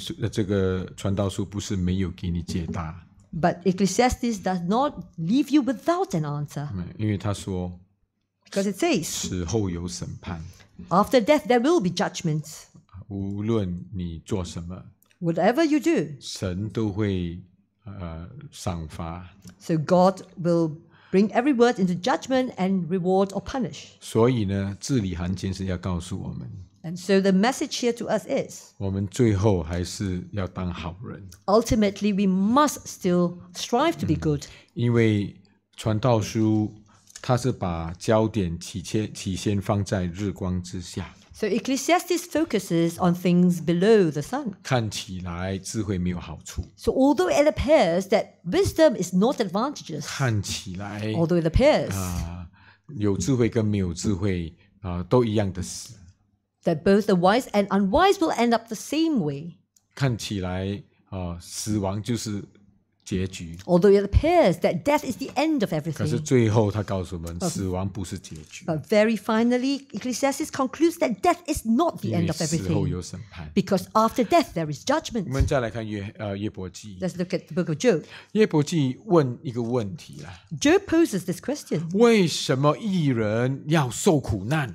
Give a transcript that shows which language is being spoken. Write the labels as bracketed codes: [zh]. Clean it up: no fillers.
[zh] 这个传道书不是没有给你解答 [en] But Ecclesiastes does not leave you without an answer. [zh] 因为他说 [en] Because it says, [zh] 死后有审判 [en] After death, there will be judgment. [zh] 无论你做什么 [en] Whatever you do, [zh] 神都会赏罚 [en] So God will bring every word into judgment and reward or punish. [zh] 所以呢，字里行间是要告诉我们 [en] And so the message here to us is, [zh] 我们最后还是要当好人 [en] Ultimately, we must still strive to be good. [zh] 因为传道书它是把焦点起先放在日光之下 [en] So Ecclesiastes focuses on things below the sun. [zh] 看起来智慧没有好处 [en] So although it appears that wisdom is not advantageous, [zh] 看起来 [en] although it appears, [zh] 有智慧跟没有智慧都一样的死 [en] that both the wise and unwise will end up the same way. [zh] 看起来死亡就是结局 [en] although it appears that death is the end of everything. [zh] 可是最后他告诉我们死亡不是结局 [en] But very finally, Ecclesiastes concludes that death is not the end of everything. [zh] 因为死后有审判 [en] Because after death, there is judgment. [zh] 我们再来看约伯记 [en] Let's look at the book of Job. [zh] 约伯记问一个问题 [en] Job poses this question. [zh] 为什么义人要受苦难